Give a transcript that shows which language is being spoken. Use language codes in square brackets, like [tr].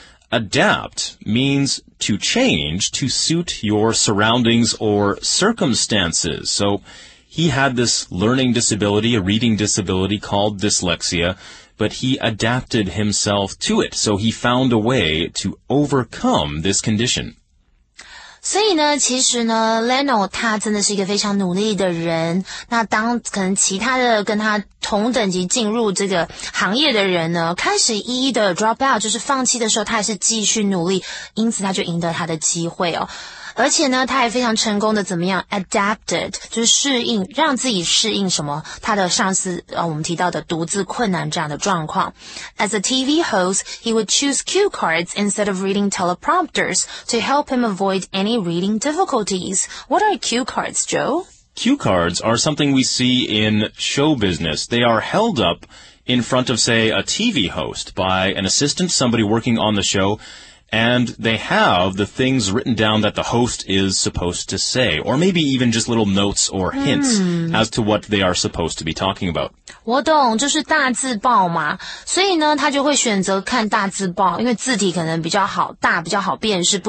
[en] Adapt means to change to suit your surroundings or circumstances. So he had this learning disability, a reading disability called dyslexia, but he adapted himself to it. So he found a way to overcome this condition. [zh] 所以呢，其实呢 ，Leno 他真的是一个非常努力的人。那当可能其他的跟他同等级进入这个行业的人呢，开始一一的 [en] drop out， [zh] 就是放弃的时候，他还是继续努力，因此他就赢得他的机会哦。而且呢，他也非常成功的怎么样 ？Adapted， 就是适应，让自己适应什么？他的上司啊，我们提到的独自困难这样的状况。 [en] As a TV host, he would choose cue cards instead of reading teleprompters to help him avoid any reading difficulties. What are cue cards, Joe? Cue cards are something we see in show business. They are held up in front of, say, a TV host by an assistant, somebody working on the show. And they have the things written down that the host is supposed to say, or maybe even just little notes or hints as to what they are supposed to be talking about. [zh] 我懂，就是大字报嘛。所以呢，他就会选择看大字报，因为字体可能比较好大，比较好辨识。